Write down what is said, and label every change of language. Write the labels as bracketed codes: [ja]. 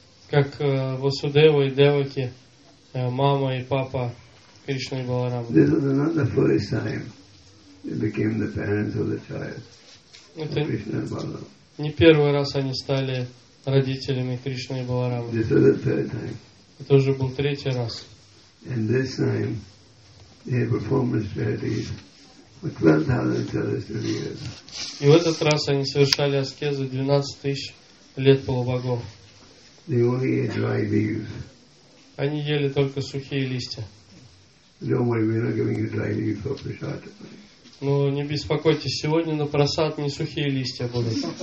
[ru] Как Васудева и Деваки, мама и папа Кришны и Баларамы. [en] This was not the first time they became the parents of the child. [ru] Это Кришна и Баларама. Не первый раз они стали родителями Кришны и Баларамы. [en] This was the third time. [ru] Это уже был третий раз. [en] And this time they performed austerities for 12,000 celestial years. [ru] И в этот раз они совершали аскезы 12 тысяч лет полубогов. [en] They only ate dry leaves. [ru] Они ели только сухие листья. [en] Don't worry, we're not giving you dry leaves for prasad. [ru] Но не беспокойтесь, сегодня на просад не сухие листья будут.